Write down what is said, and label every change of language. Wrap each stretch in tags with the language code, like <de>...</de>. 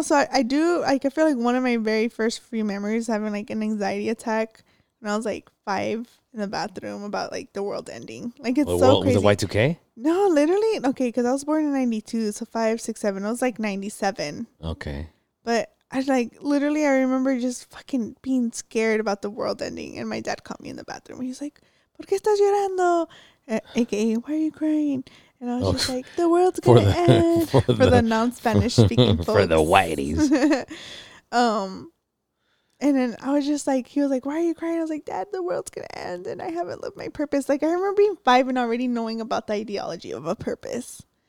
<en>So I do, like, I feel like one of my very first few memories having, like, an anxiety attack when I was, like, 5 in the bathroom about, like, the world ending. Like, it's so crazy. Was it Y2K? No, literally. Okay, because I was born in 92, so 5, 6, 7. I was, like, 97. Okay. But, I remember just fucking being scared about the world ending, and my dad caught me in the bathroom. He's like,</en> <es>¿Por qué estás llorando?</es> <en>A.K.A., why are you crying? And I was just like, the world's going to end for the non-Spanish speaking folks. For the whiteies. And then I was just like, he was like, why are you crying? I was like, Dad, the world's going to end and I haven't lived my purpose. Like, I remember being five and already knowing about the ideology of a purpose.</en>